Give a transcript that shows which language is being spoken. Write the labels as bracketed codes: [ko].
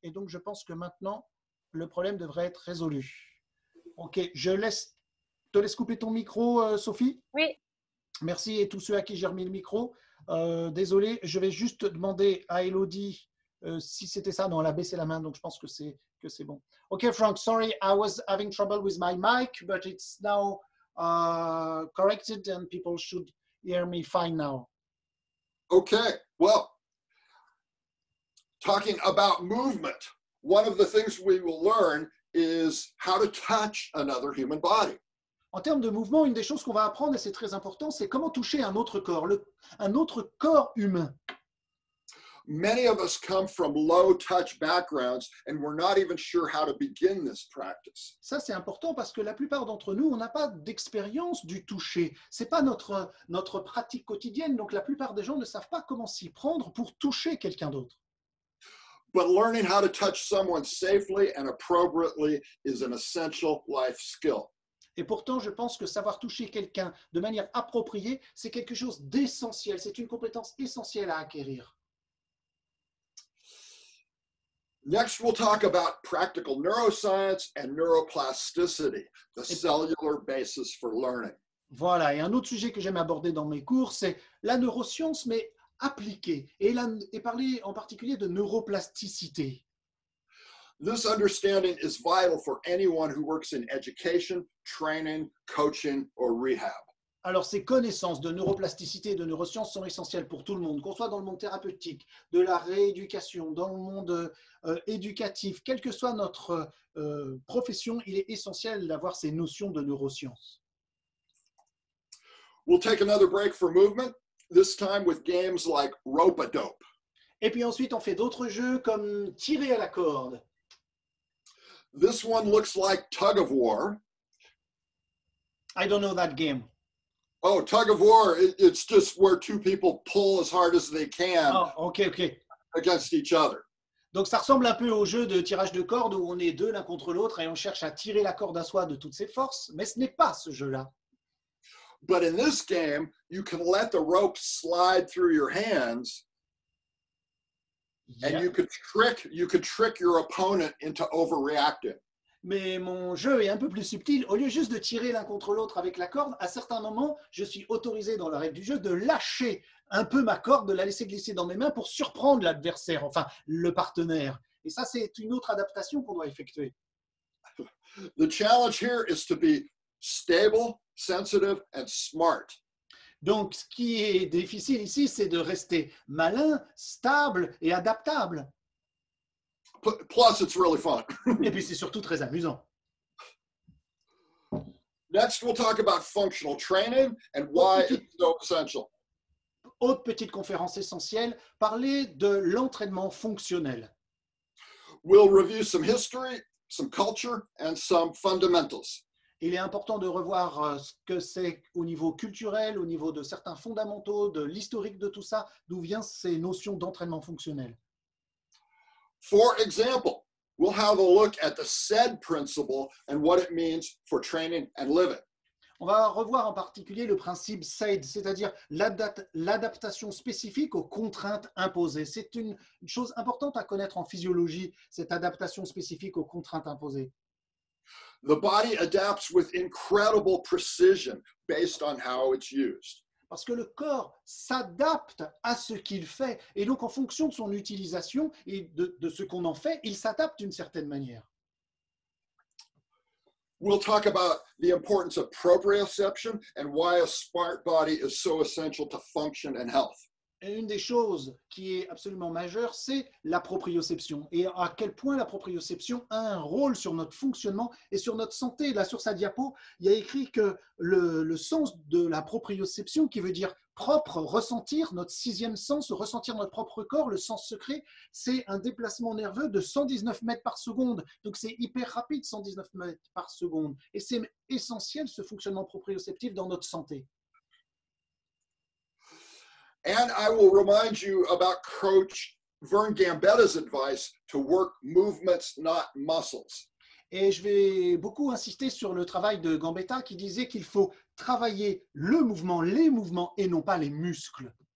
[fr] Et donc, je pense que maintenant, le problème devrait être résolu. Ok, je laisse, te laisse couper ton micro, Sophie. Oui. Merci et tous ceux à qui j'ai remis le micro. Désolé, je vais juste demander à Elodie si c'était ça. Non, elle a baissé la main, donc je pense que c'est bon. [en] Ok, Frank, sorry, I was having trouble with my mic, but it's now corrected and people should hear me fine now. Ok, well, talking about movement, one of the things we will learn is how to touch another human body. [fr] En termes de mouvement, une des choses qu'on va apprendre, et c'est très important, c'est comment toucher un autre corps, un autre corps humain. [en] Many of us come from low touch backgrounds and we're not even sure how to begin this practice. [fr] Ça, c'est important parce que la plupart d'entre nous, on n'a pas d'expérience du toucher. C'est pas notre pratique quotidienne, donc la plupart des gens ne savent pas comment s'y prendre pour toucher quelqu'un d'autre. [en] But learning how to touch someone safely and appropriately is an essential life skill. [fr] Et pourtant, je pense que savoir toucher quelqu'un de manière appropriée, c'est quelque chose d'essentiel, c'est une compétence essentielle à acquérir. [en] Next, we'll talk about practical neuroscience and neuroplasticity, the cellular basis for learning. [fr] Voilà, et un autre sujet que j'aime aborder dans mes cours, c'est la neuroscience, mais appliquée, et parler en particulier de neuroplasticité. [en] This understanding is vital for anyone who works in education, training, coaching, or rehab. [fr] Alors, ces connaissances de neuroplasticité et de neurosciences sont essentielles pour tout le monde, qu'on soit dans le monde thérapeutique, de la rééducation, dans le monde éducatif, quelle que soit notre profession, il est essentiel d'avoir ces notions de neurosciences. [en] We'll take another break for movement, this time with games like rope-a-dope. [fr] Et puis ensuite, on fait d'autres jeux comme tirer à la corde. [en] This one looks like tug of war. I don't know that game. Oh, tug of war, it's just where two people pull as hard as they can. Oh, okay. Against each other. [fr] Donc ça ressemble un peu au jeu de tirage de corde où on est deux l'un contre l'autre et on cherche à tirer la corde à soi de toutes ses forces, mais ce n'est pas ce jeu-là. [en] But in this game, you can let the rope slide through your hands. Yeah. And you could trick your opponent into overreacting. [fr] Mais mon jeu est un peu plus subtil. Au lieu juste de tirer l'un contre l'autre avec la corde, à certains moments, je suis autorisé dans la règle du jeu de lâcher un peu ma corde, de la laisser glisser dans mes mains pour surprendre l'adversaire, enfin le partenaire. Et ça, c'est une autre adaptation qu'on doit effectuer. [en] The challenge here is to be stable, sensitive, and smart. [fr] Donc, ce qui est difficile ici, c'est de rester malin, stable et adaptable. [en] Plus, it's really fun. [fr] Et puis, c'est surtout très amusant. [en] Next, we'll talk about functional training and why it's so essential. [fr] Autre petite conférence essentielle, parler de l'entraînement fonctionnel. [en] We'll review some history, some culture, and some fundamentals. [fr] Il est important de revoir ce que c'est au niveau culturel, au niveau de certains fondamentaux, de l'historique de tout ça, d'où viennent ces notions d'entraînement fonctionnel. [en] For example, we'll have a look at the SED principle and what it means for training and living. [fr] On va revoir en particulier le principe SED, c'est-à-dire l'adaptation spécifique aux contraintes imposées. C'est une chose importante à connaître en physiologie, cette adaptation spécifique aux contraintes imposées. [en] The body adapts with incredible precision based on how it's used. [fr] Parce que le corps s'adapte à ce qu'il fait. Et donc, en fonction de son utilisation et de ce qu'on en fait, il s'adapte d'une certaine manière. [en] We'll talk about the importance of proprioception and why a smart body is so essential to function and health. [fr] Et une des choses qui est absolument majeure, c'est la proprioception. Et à quel point la proprioception a un rôle sur notre fonctionnement et sur notre santé. Là, sur sa diapo, il y a écrit que le sens de la proprioception, qui veut dire propre, ressentir, notre sixième sens, ressentir notre propre corps, le sens secret, c'est un déplacement nerveux de 119 mètres par seconde. Donc, c'est hyper rapide, 119 mètres par seconde. Et c'est essentiel, ce fonctionnement proprioceptif dans notre santé. [en] And I will remind you about Coach Vern Gambetta's advice to work movements, not muscles. [fr] Et je vais beaucoup insister sur le travail de Gambetta qui disait qu'il faut travailler le mouvement, les mouvements et non pas les muscles.